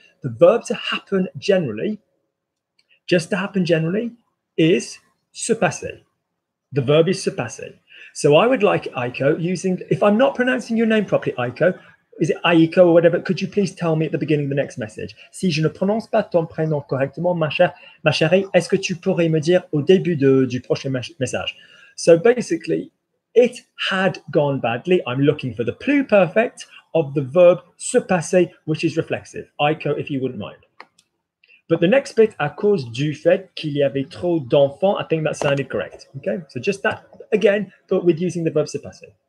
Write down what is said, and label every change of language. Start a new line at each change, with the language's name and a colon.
English: The verb to happen generally, just to happen generally, is se passer. The verb is se passer. So I would like Aiko using, if I'm not pronouncing your name properly, Aiko, is it Aiko or whatever, could you please tell me at the beginning of the next message?
French: Si je ne prononce pas ton prénom correctement, ma chérie, est-ce que tu pourrais me dire au début du prochain message?
English: So basically, it had gone badly. I'm looking for the pluperfect of the verb se passer, which is reflexive. Aiko, if you wouldn't mind. But the next bit,
French: à cause du fait qu'il y avait trop d'enfants,
English: I think that sounded correct. Okay, so just that again, but with using the verb se passer.